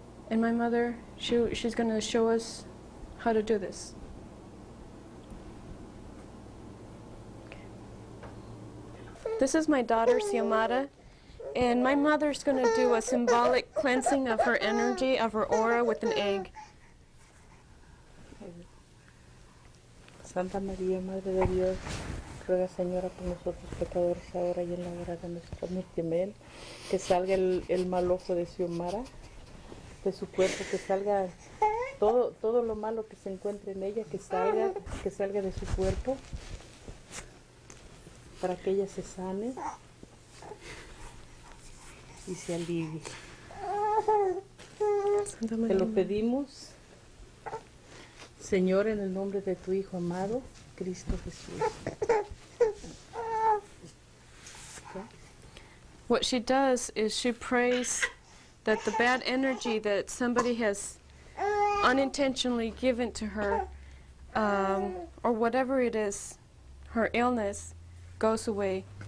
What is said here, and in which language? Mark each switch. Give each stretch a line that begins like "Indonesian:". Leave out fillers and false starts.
English: And my mother, she's going to show us how to do this. This is my daughter, Xiomara, And my mother's going to do a symbolic cleansing of her energy, of her aura, with an egg.
Spanish: Santa María, Madre de Dios, ruega, Señora, por nosotros pecadores, ahora y en la hora de nuestra muerte. Amén. Que salga el mal ojo de Xiomara, de su cuerpo, que salga todo lo malo que se encuentre en ella, que salga de su cuerpo, para que ella se sane y se alivie. Santa María. Te lo pedimos, Señor, en el nombre de tu Hijo amado, Cristo Jesús.
English: What she does is she prays that the bad energy that somebody has unintentionally given to her, or whatever it is, her illness, goes away.